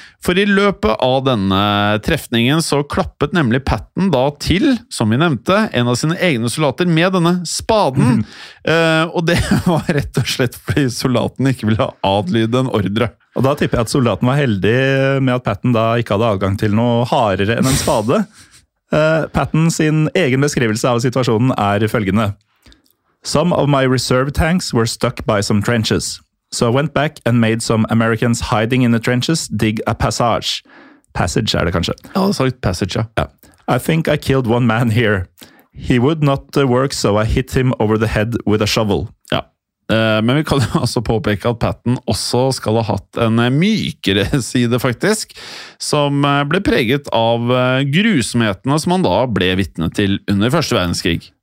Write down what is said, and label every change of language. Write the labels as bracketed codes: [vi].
[no] For I løpet av denne trefningen så klappet nemlig Patton da til, som vi nevnte, en av sine egne soldater med denne spaden. Mm. Og det var rett og slett fordi soldaten ikke ville adlyde en ordre. Og da tipper jeg at soldaten var heldig med at Patton da ikke hadde adgang til noe hardere enn en spade. Patton sin egen beskrivelse av situasjonen følgende. [en] Some of my reserve tanks were stuck by some trenches. So I went back and made some Americans hiding in the trenches dig a passage. [no] Passage det kanskje. Ja, det sagt passage, ja. [en] Yeah. I think I killed one man here. He would not work, so I hit him over the head with a shovel. [no] Ja, men vi kan jo også påpeke at Patton også skal ha hatt en mykere side faktisk, som ble preget av grusomhetene som han da ble vittne til under Første verdenskrig.